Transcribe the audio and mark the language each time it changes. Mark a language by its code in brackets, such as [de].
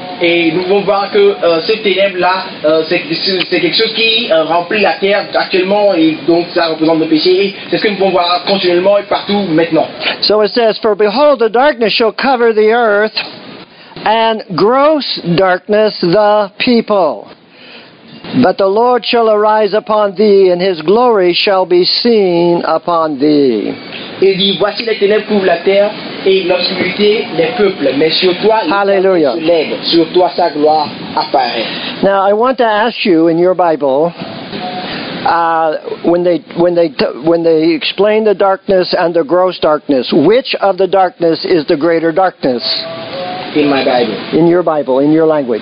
[fr] Et nous pouvons voir que cette ténèbre-là, c'est quelque chose qui remplit la terre actuellement, et donc ça représente le péché. C'est ce que nous pouvons voir continuellement et partout maintenant. [en] So it says, "For behold, the darkness shall cover the earth, and gross darkness the people. But the Lord shall arise upon thee, and his glory shall be seen upon thee." [fr] Il dit, voici les ténèbres couvrent la terre, et l'obscurité les peuples, mais sur toi hallelujah. Se lève, sur toi sa gloire apparaît. [en] Now I want to ask you in your Bible, when they explain the darkness and the gross darkness, which of the darkness is the greater darkness? In my Bible. In your Bible, in your language.